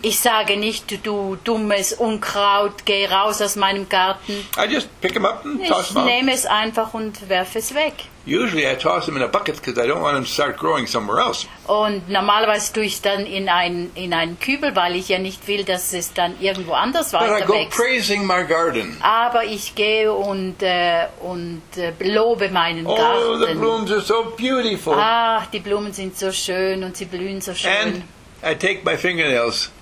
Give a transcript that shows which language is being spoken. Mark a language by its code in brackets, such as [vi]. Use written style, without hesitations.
[de] Ich sage nicht, du dummes Unkraut, geh raus aus meinem Garten. [en] I just pick him up and [de] ich [en] toss him [de] nehme es einfach und werfe es weg. [en] Usually I toss them in a bucket because I don't want them to start growing somewhere else. [de] Und normalerweise tue ich dann in einen Kübel, weil ich ja nicht will, dass es dann irgendwo anders weiter wächst. [en] But I go praising my garden. [de] Aber ich gehe und lobe meinen Garten. [en] Oh, the blooms are so beautiful. [de] Ach, die Blumen sind so schön und sie blühen so schön. [en] And I take my fingernails.